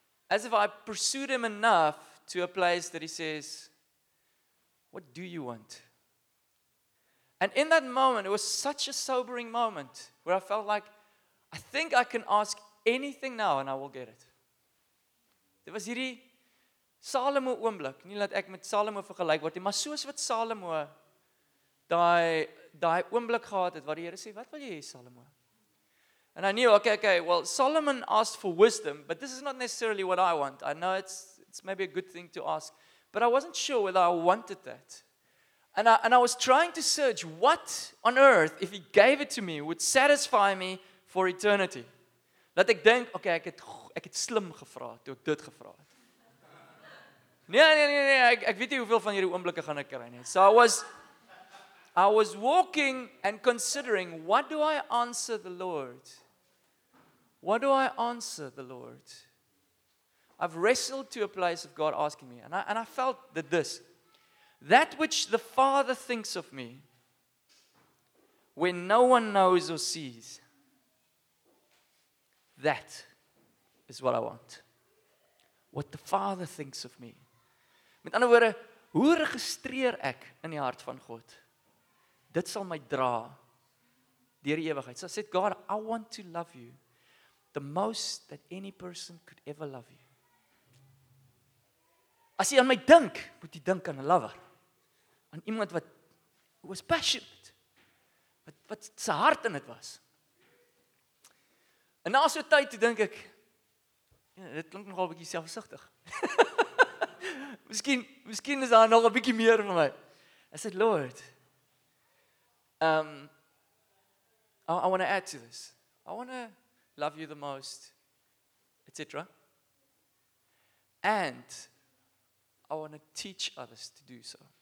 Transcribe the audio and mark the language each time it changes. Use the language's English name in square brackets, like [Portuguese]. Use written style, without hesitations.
[English] As if I pursued him enough to a place that he says, "What do you want?" And in that moment, it was such a sobering moment where I felt like, I think I can ask anything now and I will get it. There was hierdie [Afrikaans] Salomo oomblik, nie laat ek met Salomo vergelyk word nie, maar soos wat Salomo daai oomblik gehad het, wat die Here sê, wat wil jy hê, Salomo? [English] And I knew, okay, well, Solomon asked for wisdom, but this is not necessarily what I want. I know it's maybe a good thing to ask, but I wasn't sure whether I wanted that. And I was trying to search what on earth, if he gave it to me, would satisfy me for eternity. [Afrikaans] Let ek dink, okay, ek het slim gevra toe ek dit gevra het. Nee, ek weet nie hoeveel van hierdie oomblikke gaan ek kry nie. [English] So I was walking and considering, what do I answer the Lord? What do I answer the Lord? I've wrestled to a place of God asking me, and I felt that this, that which the Father thinks of me, when no one knows or sees, that is what I want. What the Father thinks of me. [Afrikaans] Met ander woorde, hoe registreer ek in die hart van God? Dit sal my dra deur die ewigheid. [English] So I said, God, I want to love you the most that any person could ever love you. [Afrikaans] As jy aan my dink, moet jy dink aan 'n lover. Aan iemand wat was passionate. Wat sy hart in dit was. En na so 'n tyd, dink ek, dit klink nogal 'n bietjie selfsugtig. Miskien is daar nog 'n bietjie meer van my. [English] I said, Lord, I want to add to this. I want to love you the most, etc. And I want to teach others to do so.